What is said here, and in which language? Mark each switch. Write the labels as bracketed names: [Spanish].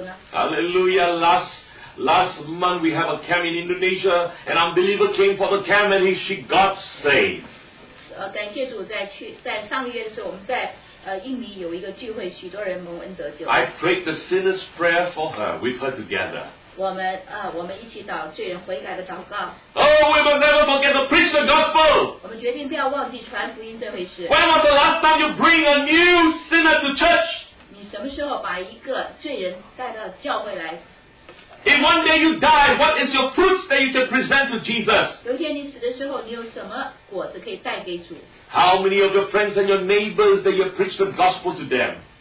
[English] Hallelujah. Last month we have a camp in Indonesia, an unbeliever came for the camp and she got saved. [Chinese] 感谢主在上个月的时候我们在印尼有一个聚会许多人蒙恩得救 [English] I prayed the sinner's prayer for her with her together [Chinese] 我们一起祷罪人悔改的祷告 [English] Oh, we will never forget to preach the gospel [Chinese] 我们决定不要忘记传福音这回事 [English] When was the last time you bring a new sinner to church? [Chinese] 你什么时候把一个罪人带到教会来 [English] If one day you die, what is your fruits that you can present to Jesus? How many of your friends and your neighbors that you preach the gospel to them?